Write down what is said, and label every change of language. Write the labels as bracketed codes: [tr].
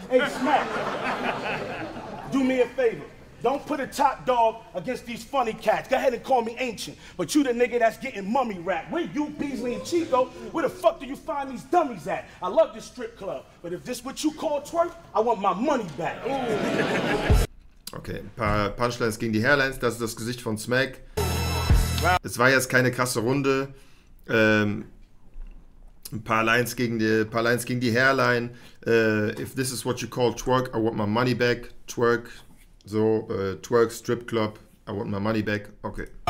[en] Hey, Smack, do me a favor. Don't put a top dog against these funny cats. Go ahead and call me ancient, but you the nigga that's getting mummy wrapped. Where you, Beasley and Chico? Where the fuck do you find these dummies at? I love this strip club, but if this what you call twerk, I want my money back. [de] Okay, ein paar Punchlines gegen die Hairlines. Das ist das Gesicht von Smack. Es war jetzt keine krasse Runde. Ein paar Lines gegen die Hairline. [en] If this is what you call twerk, I want my money back. Twerk. So, Twerk, Strip Club, I want my money back, okay.